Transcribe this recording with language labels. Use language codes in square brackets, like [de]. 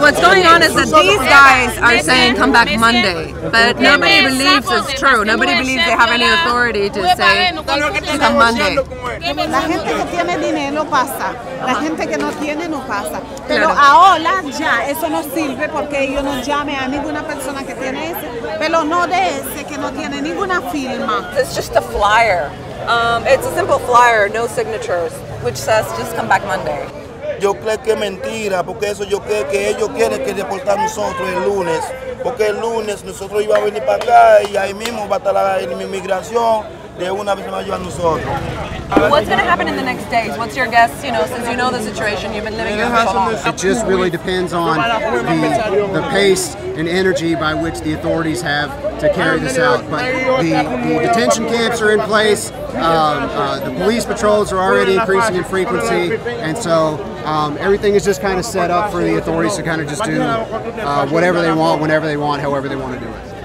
[en] What's going on is that these guys are saying come back Monday. But nobody believes it's true. Nobody believes they have any authority to say it's a Monday. [es] La gente que tiene dinero pasa. La gente que no tiene no pasa. Pero ahora ya eso no sirve porque ellos no llaman a ninguna persona que tiene ese. Pero no de ese que no tiene ninguna firma. [en] It's just a flyer. It's a simple flyer, no signatures, which says just come back Monday. [es] Yo creo que es mentira, porque eso yo creo que ellos quieren que deportar a nosotros el lunes. Porque el lunes nosotros íbamos a venir para acá y ahí mismo va a estar la inmigración de una vez más a nosotros. [en] What's going to happen in the next days? What's your guess, you know, since you know the situation, you've been living here for so long? It just really depends on the pace and energy by which the authorities have to carry this out. But the detention camps are in place, the police patrols are already increasing in frequency, and so everything is just kind of set up for the authorities to kind of just do whatever they want, whenever they want, however they want to do it.